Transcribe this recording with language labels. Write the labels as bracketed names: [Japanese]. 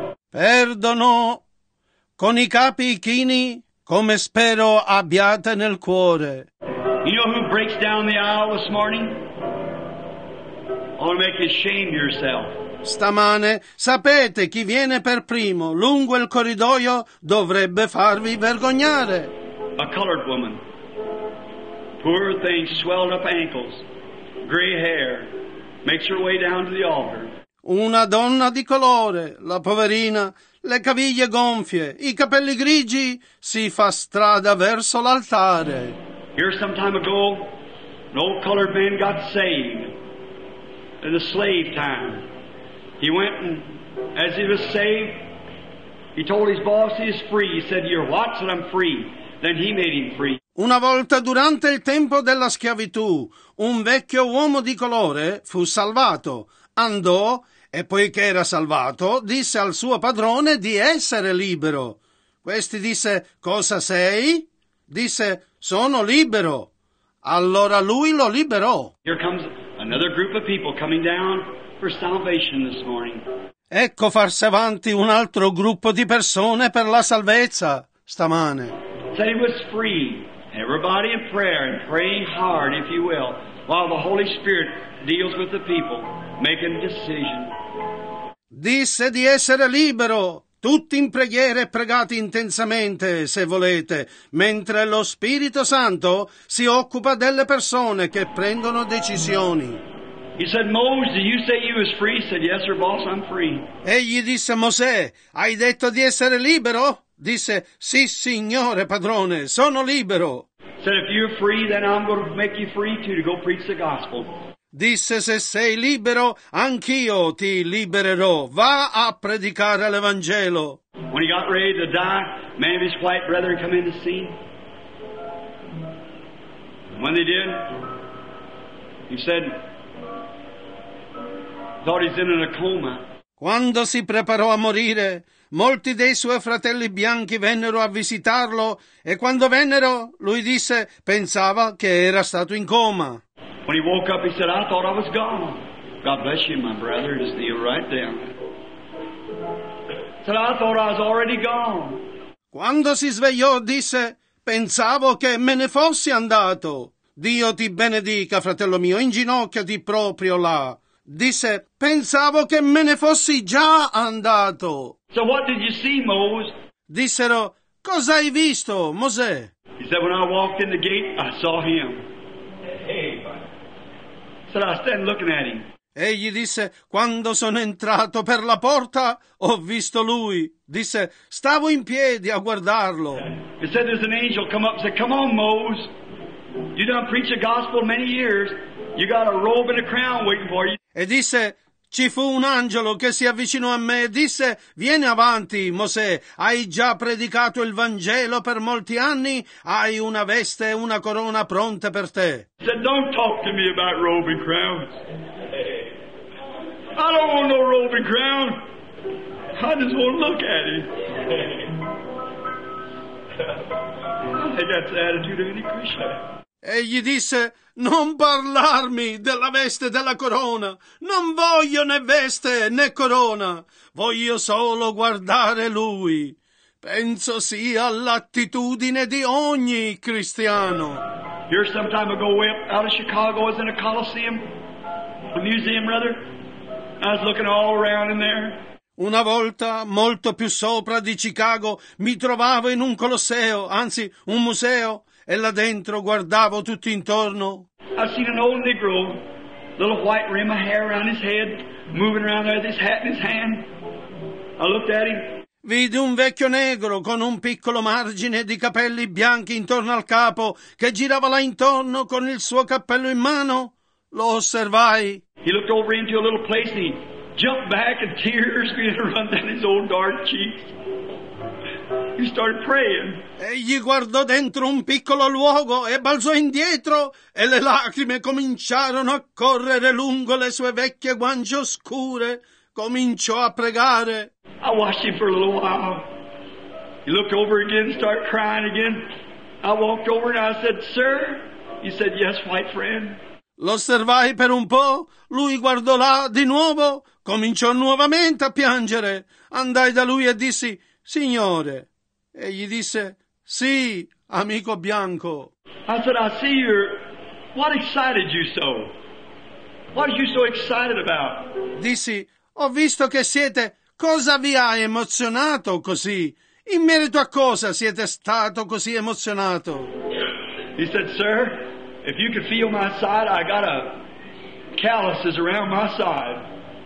[Italian] Perdono con i capi chini come spero abbiate nel cuore. [English] You know who breaks down the aisle this morning? I want to make you shame yourself. [Italian] Stamane sapete chi viene per primo lungo il corridoio dovrebbe farvi vergognare. [English] A colored woman, poor thing, swelled up ankles, gray hair, makes her way down to the altar. [Italian] Una donna di colore, la poverina, le caviglie gonfie, i capelli grigi, si fa strada verso l'altare. [English] Here some time ago, an old colored man got saved in the slave time. He went and, as he was saved, he told his boss he is free. He said, "You're what?" said, "I'm free." Then he made him free. [Italian] Una volta durante il tempo della schiavitù, un vecchio uomo di colore fu salvato. Andò e poiché era salvato, disse al suo padrone di essere libero. Questi disse, cosa sei? Disse, sono libero. Allora lui lo liberò. [English] Here comes another group of people coming down for salvation this morning. [Italian] Ecco farsi avanti un altro gruppo di persone per la salvezza stamane. [English] They was free. Everybody in prayer and praying hard, if you will, while the Holy Spirit deals with the people, making a decision. [Italian] Disse di essere libero, tutti in preghiera e pregati intensamente, se volete, mentre lo Spirito Santo si occupa delle persone che prendono decisioni. [English] He said, Moses, did you say you was free? He said, yes, sir, boss, I'm free. [Italian] Egli disse, Mosè, hai detto di essere libero? Disse, sì, signore, padrone, sono libero. [English] Said, if you're free, then I'm going to make you free too to go preach the gospel. [Italian] Disse, se sei libero, anch'io ti libererò. Va a predicare l'Evangelo. [English] When he got ready to die, many of his white brethren come in to see him. When they did, he said, thought he's in a coma. [Italian] Quando si preparò a morire, molti dei suoi fratelli bianchi vennero a visitarlo e quando vennero, lui disse, pensava che era stato in coma. [English] When he woke up, he said, I thought I was gone. God bless you, my brother, just kneel right down. He said, I thought I was already gone. [Italian] Quando si svegliò, disse, pensavo che me ne fossi andato. Dio ti benedica, fratello mio, inginocchiati proprio là. Disse, pensavo che me ne fossi già andato. [English] So what did you see, Moses? [Italian] Dissero, cosa hai visto, Mosè? [English] He said, when I walked in the gate, I saw him. Said, I stand looking at him. [Italian] Egli disse, quando sono entrato per la porta, ho visto lui. Disse, stavo in piedi a guardarlo. [English] He said, there's an angel come up and said, come on, Moses. You done preach the gospel many years. You got a robe and a crown waiting for you. [Italian] E disse, ci fu un angelo che si avvicinò a me e disse, vieni avanti, Mosè, hai già predicato il Vangelo per molti anni, hai una veste e una corona pronte per te. [English] He said, don't talk to me about robe and crown. I don't want no robe and crown. I just want to look at him. [Italian] Non è l'attitudine di Krishna. Egli disse: non parlarmi della veste della corona. Non voglio né veste né corona. Voglio solo guardare lui. Penso sia l'attitudine di ogni cristiano. [English] Here some time ago, way out of Chicago, I was in a Colosseum, a museum rather. I was looking all around in there. [Italian] Una volta, molto più sopra di Chicago, mi trovavo in un Colosseo, anzi un museo, e là dentro guardavo tutto intorno. [English] I seen an old Negro, little white rim of hair around his head, moving around there with his hat in his hand. I looked at him. [Italian] Vidi un vecchio negro con un piccolo margine di capelli bianchi intorno al capo che girava là intorno con il suo cappello in mano. Lo osservai. [English] He looked over into a little place and he jumped back and tears began to run down his old dark cheeks. He started praying. [Italian] Egli guardò dentro un piccolo luogo e balzò indietro e le lacrime cominciarono a correre lungo le sue vecchie guance oscure. Cominciò a pregare. [English] I watched him for a little while. He looked over again, started crying again. I walked over and I said, "Sir," he said, "Yes, white friend." [Italian] L'osservai per un po'. Lui guardò là di nuovo. Cominciò nuovamente a piangere. Andai da lui e dissi, "Signore." E gli disse, "Sì, amico bianco." [English] I said, "I see you. What excited you so? What are you so excited about?" [Italian] Dissi, "Ho visto che siete. Cosa vi ha emozionato così? In merito a cosa siete stato così emozionato?" [English] He said, "Sir, if you could feel my side, I got a calluses around my side.